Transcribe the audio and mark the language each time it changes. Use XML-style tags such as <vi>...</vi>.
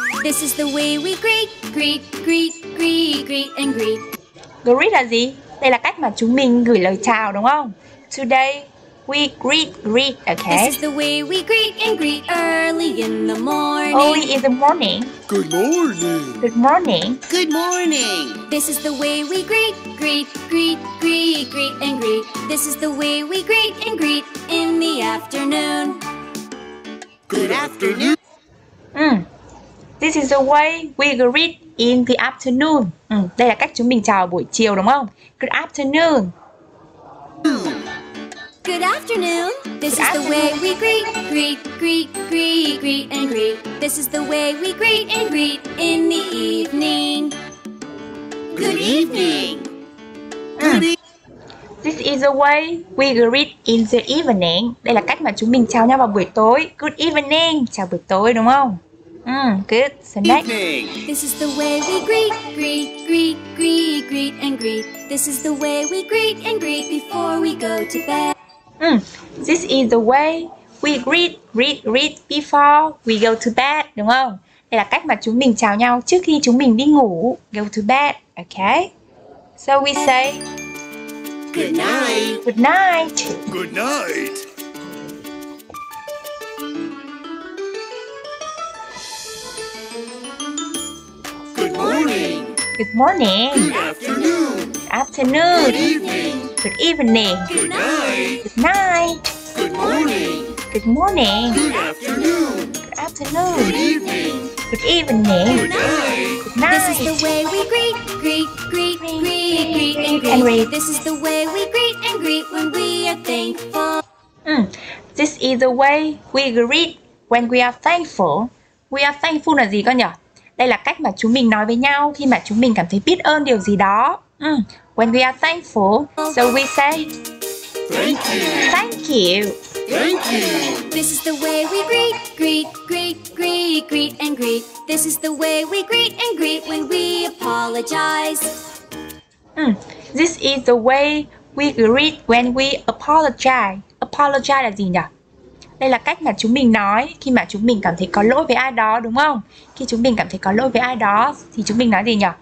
<en>This is the way we greet, greet, greet, greet, greet and greet.</en> <vi>Greet là gì? Đây là cách mà chúng mình gửi lời chào đúng không?</vi> <en>Today we greet, greet, okay? This is the way we greet and greet early in the morning. Early in the morning. Good morning. Good morning. Good morning. This is the way we greet, greet, greet, greet, greet and greet. This is the way we greet and greet in the afternoon. Good afternoon. This is the way we greet in the afternoon.</en> <vi>Đây là cách chúng mình chào buổi chiều đúng không?</vi> <en>Good afternoon. Good afternoon. This is the way we greet, greet, greet, greet, greet and greet. This is the way we greet and greet in the evening. Good evening. This is the way we greet in the evening.</en> <vi>Đây là cách mà chúng mình chào nhau vào buổi tối.</vi> <en>Good evening.</en> <vi>Chào buổi tối đúng không?</vi> <en>Good. So next. This is the way we greet, greet, greet, greet, greet and greet. This is the way we greet and greet before we go to bed. This is the way we greet, greet, greet before we go to bed,</en> <vi>đúng không? Đây là cách mà chúng mình chào nhau trước khi chúng mình đi ngủ,</vi> <en>go to bed, okay? So we say good night. Good night. Good night. Good night. Good morning. Good afternoon. Good afternoon. Good evening. Good evening. Good night. Good night. Good morning. Good morning. Good afternoon. Good afternoon. Good evening. Good evening. Good night. Good night. This is the way we greet, greet, greet, greet, greet, greet, greet, and greet, and greet. This is the way we greet and greet when we are thankful. This is the way we greet when we are thankful. We are thankful</en> <vi>là gì con nhỉ? Đây là cách mà chúng mình nói với nhau khi mà chúng mình cảm thấy biết ơn điều gì đó.</vi> <en>When we are thankful, so we say thank you. Thank you. Thank you. This is the way we greet, greet, greet, greet, greet and greet. This is the way we greet and greet when we apologize. This is the way we greet when we apologize.</en> <vi>Apologize là gì nhỉ? Đây là cách mà chúng mình nói khi mà chúng mình cảm thấy có lỗi với ai đó, đúng không? Khi chúng mình cảm thấy có lỗi với ai đó thì chúng mình nói gì nhỉ?</vi>